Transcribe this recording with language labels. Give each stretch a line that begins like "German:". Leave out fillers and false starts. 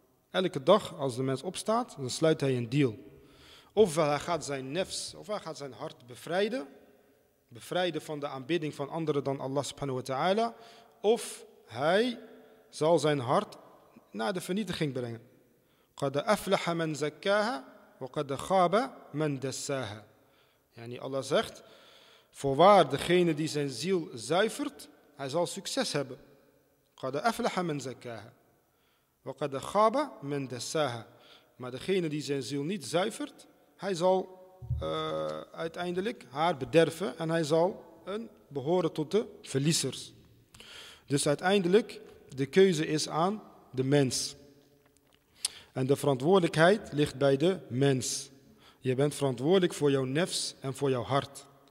Dutch: Elke dag als de mens opstaat, dan sluit hij een deal. Ofwel hij gaat zijn nefs, of hij gaat zijn hart bevrijden. Bevrijden van de aanbidding van anderen dan Allah subhanahu wa ta'ala. Of hij zal zijn hart naar de vernietiging brengen.
Arabic: قد أفلح من زكاها وقد خاب من دساها. يعني الله
Dutch: zegt: voorwaar degene die zijn ziel zuivert, hij zal succes hebben.
Arabic: قد أفلح من زكاها وقد خاب من دساها.
Dutch: Maar degene die zijn ziel niet zuivert, hij zal uiteindelijk haar bederven en hij zal een behoren tot de verliezers. Dus uiteindelijk, de keuze is aan de mens. En de verantwoordelijkheid ligt bij de mens. Je bent verantwoordelijk voor jouw nefs en voor jouw hart.